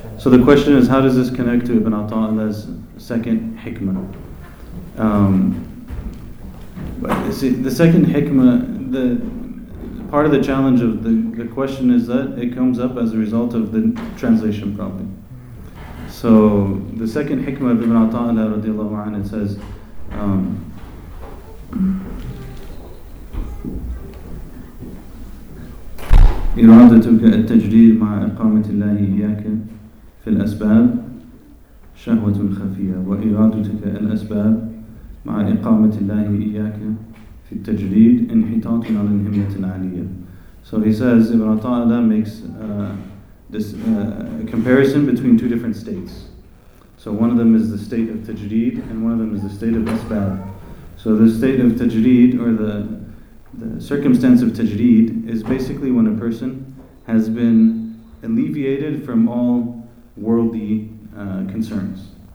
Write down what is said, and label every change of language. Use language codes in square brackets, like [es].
[en] So the question is, how does this connect to Ibn Tala's second hikmah? The second hikmah, the... part of the challenge of the question is that it comes up as a result of the translation problem. So the second hikmah of Ibn Ata'ala radiallahu anhu, it says, [ar] إرادتك التجديد مع إقامة الله إياك في الأسباب شهوة خفية وإرادتك الأسباب مع إقامة الله إياك في التجديد انحطاط على الهمة العالية. [en] So he says, Ibn Ata'ala makes a comparison between two different states. So one of them is the state of tajdeed and one of them is the state of asbab. So the state of tajdeed, or the circumstance of tajdeed, is basically when a person has been alleviated from all worldly concerns.